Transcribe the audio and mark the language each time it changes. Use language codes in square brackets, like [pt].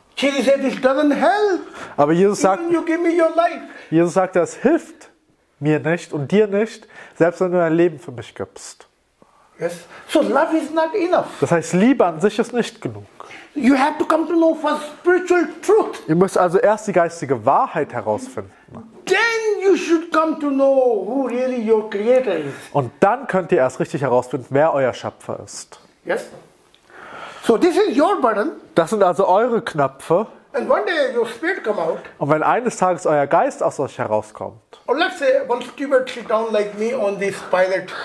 [en] Jesus said, it doesn't help. [de] Aber Jesus sagte, [en] even you give me your life. [de] Jesus sagte, es hilft mir nicht und dir nicht, selbst wenn du dein Leben für mich gibst. [en] Yes. So love is not enough. [de] Das heißt, Liebe an sich ist nicht genug. [en] You have to come to know for spiritual truth. [de] Ihr müsst also erst die geistige Wahrheit herausfinden. [en] Then you should come to know who really your creator is. [de] Und dann könnt ihr erst richtig herausfinden, wer euer Schöpfer ist. [en] Yes. So this is your burden. [de] Das sind also eure Knöpfe. [en] And one day your spirit come out. [de] Und wenn eines Tages euer Geist aus euch herauskommt. [en] Or let's say one stupid sit down like me on this pilot.